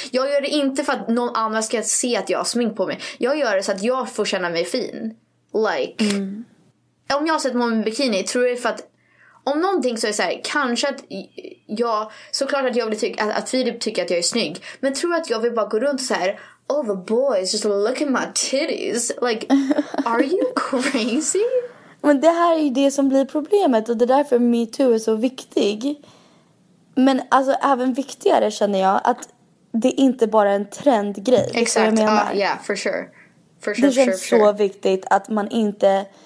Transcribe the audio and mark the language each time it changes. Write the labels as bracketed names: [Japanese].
[Swedish] Jag gör det inte för att någon annan ska se att jag har smink på mig. Jag gör det så att jag får känna mig fin. Like, om jag sätter på mig en bikini, tror jag för att om någonting så är det så här, kanske att jag, såklart att jag vill tycka att Filip tycker att jag är snygg, men tror jag att jag vill bara gå runt så här. [English] All the boys just look at my titties. Like, are you crazy? [Swedish] Men det här är ju det som blir problemet. Och det är därför Me Too är så viktig. Men alltså även viktigare känner jag. Att det inte bara är en trendgrej. Exakt. Jag menar. [English] Yeah, for sure. [Swedish] Det känns [English] for sure. [Swedish] Så viktigt att man inte...